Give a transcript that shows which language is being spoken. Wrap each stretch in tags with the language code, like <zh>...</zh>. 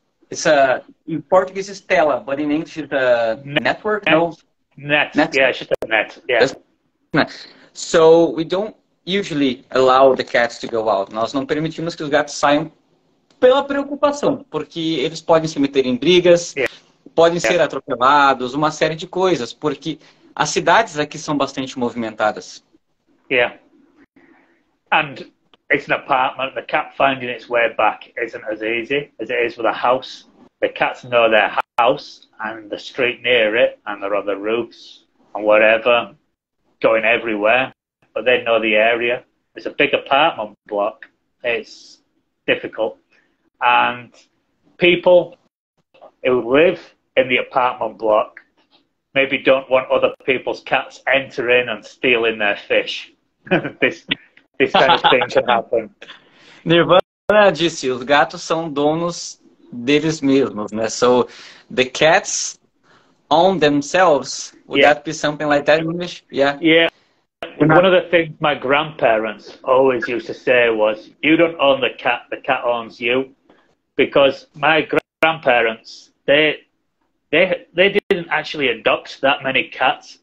<en>It's a in Portuguese it's tela, but in English it's a network. Net. So we don't usually allow the cats to go out.</en> <pt>Nós não permitimos que os gatos saiam pela preocupação, porque eles podem se meter em brigas, podem ser atropelados, uma série de coisas, porque as cidades aqui são bastante movimentadas.</pt> <en>And it's an apartment. The cat finding its way back isn't as easy as it is with a house. The cats know their house and the street near it and there are the roofs and whatever, going everywhere, but they know the area. It's a big apartment block. It's difficult. And people who live in the apartment block maybe don't want other people's cats entering and stealing their fish. This kind of thing can happen.</en> <pt>Nirvana disse, os gatos são donos deles mesmos, né?</pt> <en>So, the cats own themselves. Would that be something like that in English? Yeah. One of the things my grandparents always used to say was, you don't own the cat owns you. Because my grandparents, they didn't actually adopt that many cats.</en>